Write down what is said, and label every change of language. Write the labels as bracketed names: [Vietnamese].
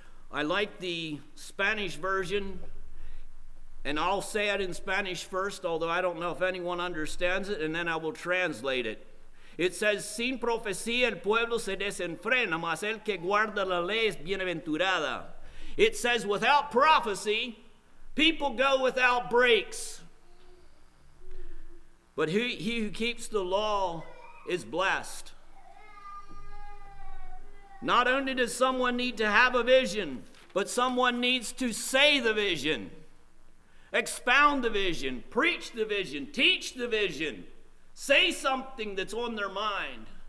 [English] I like the Spanish version, and I'll say it in Spanish first, although I don't know if anyone understands it, and then I will translate it. It says, [Spanish] sin profecía el pueblo se desenfrena, mas el que guarda la ley es bienaventurada. [English] It says, without prophecy, people go without breaks. But he who keeps the law is blessed. Not only does someone need to have a vision, but someone needs to say the vision, expound the vision, preach the vision, teach the vision, say something that's on their mind.